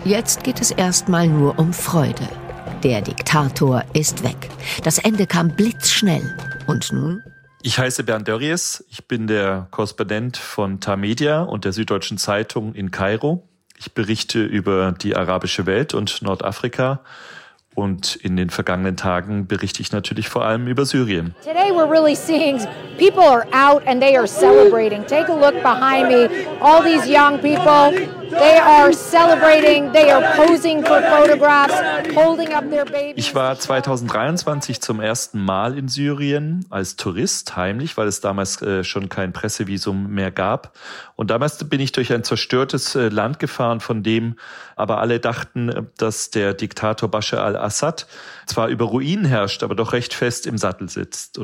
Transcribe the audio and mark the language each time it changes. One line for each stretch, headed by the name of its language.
German: Jetzt geht es erstmal nur um Freude. Der Diktator ist weg. Das Ende kam blitzschnell. Und nun? Ich heiße Bernd Dörries. Ich bin der Korrespondent von Tamedia und der Süddeutschen Zeitung in Kairo. Ich berichte über die arabische Welt und Nordafrika. Und in den vergangenen Tagen berichte ich natürlich vor allem über Syrien.
English: Today we're really seeing people are out and they are celebrating. Take a look behind me. All these young people, they are celebrating, they are posing for photographs, holding up their babies.
German: Ich war 2023 zum ersten Mal in Syrien als Tourist, heimlich, weil es damals schon kein Pressevisum mehr gab. Und damals bin ich durch ein zerstörtes Land gefahren, von dem aber alle dachten, dass der Diktator Bashar al-Assad zwar über Ruinen herrscht, aber doch recht fest im Sattel sitzt.